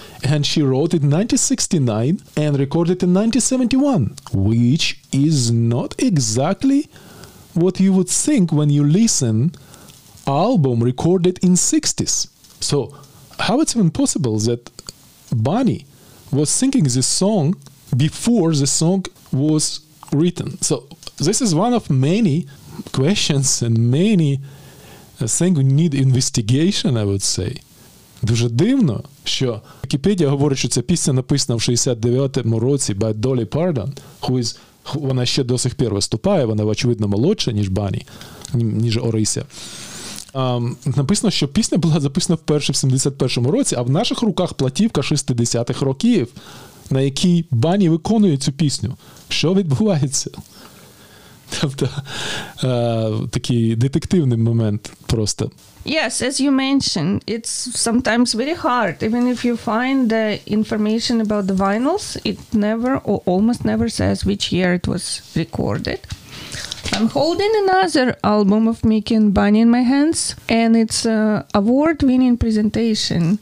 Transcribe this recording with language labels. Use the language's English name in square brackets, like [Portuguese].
[English] And she wrote it in 1969 and recorded in 1971, which is not exactly what you would think when you listen album recorded in 60s. So how it's even possible that Bunny was singing this song before the song was written? So this is one of many questions and many thing we need investigation, I would say. [Ukrainian] Дуже дивно, що Вікіпедія говорить, що ця пісня написана в 69-му році [English] by Dolly Parton, who is, [Ukrainian] вона ще до сих пір виступає, вона, очевидно, молодша, ніж Бані, ніж Орися. Написано, що пісня була записана вперше в 71-му році, а в наших руках платівка 60-х років, на якій Бані виконує цю пісню. Що відбувається? Тобто, такий детективний момент просто. [English] Yes, as you mentioned, it's sometimes very hard. Even if you find the information about the vinyls, it never or almost never says which year it was recorded. I'm holding another album of Mickey and Bunny in my hands, and it's an award-winning presentation.